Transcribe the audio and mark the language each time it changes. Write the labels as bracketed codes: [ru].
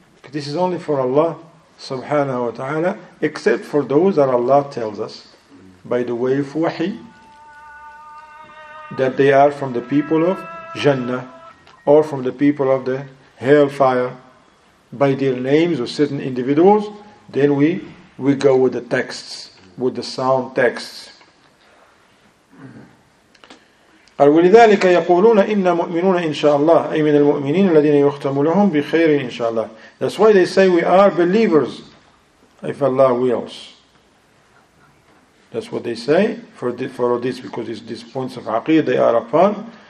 [en] This is only for Allah subhanahu wa ta'ala, except for those that Allah tells us by the way of wahi that they are from the people of Jannah or from the people of the hellfire by their names or certain individuals, then we go with the texts, with the sound texts. [ar] ولذلك يقولون إن مؤمنون إن شاء الله أي من المؤمنين الذين يختم لهم بخير إن شاء الله. [en] That's why they say we are believers if Allah wills. That's what they say for this, because it's these points of aqeed they are upon.